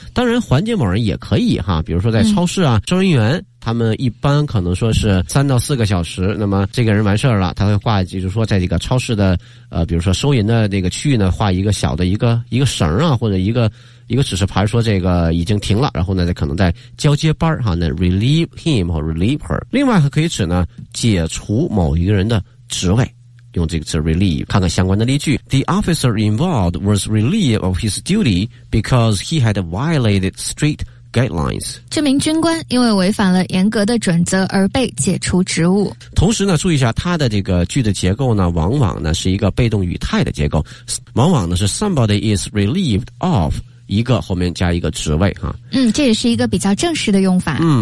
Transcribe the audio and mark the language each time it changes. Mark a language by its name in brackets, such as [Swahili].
[Chinese] 当然，缓解某人也可以哈，比如说在超市啊，收银员他们一般可能说是3到4个小时，那么这个人完事了，他会挂，就是说在这个超市的比如说收银的那个区域呢，画一个小的一个绳啊，或者一个指示牌，说这个已经停了，然后呢，再可能在交接班哈，那 relieve him 或 relieve her。另外还可以指呢，解除某一个人的职位。用这个词 relieve， 看看相关的例句。 [English] The officer involved was relieved of his duty because he had violated strict guidelines。 [Chinese] 这名军官因为违反了严格的准则而被解除职务。同时呢，注意一下他的这个句的结构呢，往往呢是一个被动语态的结构，往往呢是 somebody is relieved of。一个后面加一个职位哈。这也是一个比较正式的用法。